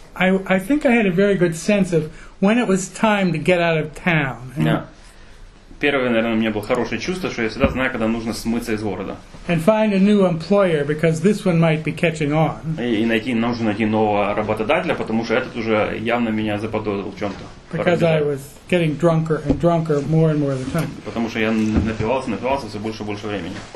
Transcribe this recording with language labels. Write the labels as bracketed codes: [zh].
[en] I think I had a very good sense of when it was time to get out of town. [ru] Первое, наверное, у меня было хорошее чувство, что я всегда знаю, когда нужно смыться из города. [en] And find a new employer because this one might be catching on. [ru] И найти, нужно найти нового работодателя, потому что этот уже явно меня заподозрил в чем-то. [en] Because I was getting drunker and drunker more and more of the time. [ru] Потому что я напивался все больше и больше времени.